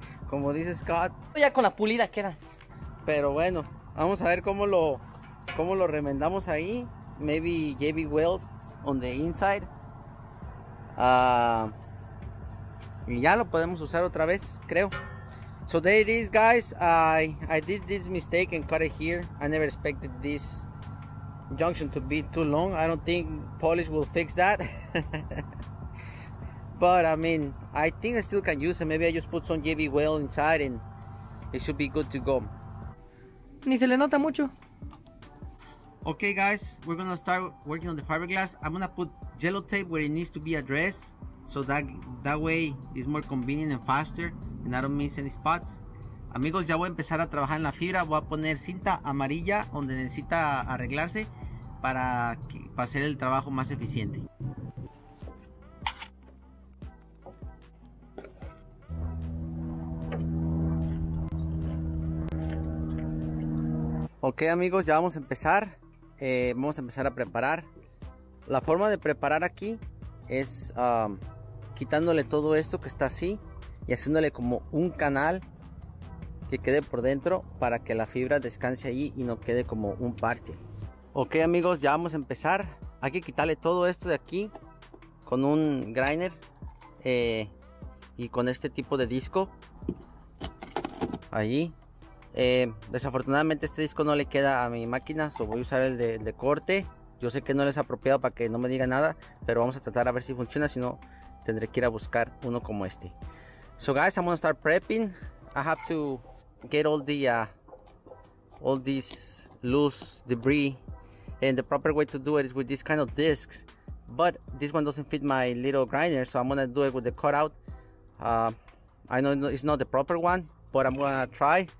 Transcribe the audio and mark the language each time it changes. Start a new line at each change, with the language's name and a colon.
Spanish: como dice Scott. Ya con la pulida queda. Pero bueno, vamos a ver cómo lo remendamos ahí.
English: Maybe JB Weld on the inside.
Spanish: Y ya lo podemos usar otra vez, creo.
English: So there it is, guys. I did this mistake and cut it here. I never expected this junction to be too long. I don't think polish will fix that. But I mean, I think I still can use it. Maybe I just put some JB Weld inside and it should be good to go.
Spanish: Ni se le nota mucho.
English: Okay, guys, we're gonna start working on the fiberglass. I'm gonna put yellow tape where it needs to be addressed, so that way it's more convenient and faster, and I don't miss any spots.
Spanish: Amigos, ya voy a empezar a trabajar en la fibra. Voy a poner cinta amarilla donde necesita arreglarse para hacer el trabajo más eficiente. Ok, amigos, ya vamos a empezar. Vamos a empezar a preparar. La forma de preparar aquí es quitándole todo esto que está así y haciéndole como un canal que quede por dentro para que la fibra descanse ahí y no quede como un parche. Ok, amigos, ya vamos a empezar. Hay que quitarle todo esto de aquí con un grinder y con este tipo de disco. Ahí. Desafortunadamente este disco no le queda a mi máquina, so voy a usar el de corte. Yo sé que no les ha apropiado para que no me diga nada, pero vamos a tratar a ver si funciona. Si no, tendré que ir a buscar uno como este.
English: So guys, I'm gonna start prepping. I have to get all this loose debris, and the proper way to do it is with this kind of discs, but this one doesn't fit my little grinder, so I'm gonna do it with the cutout. I know it's not the proper one, but I'm gonna try.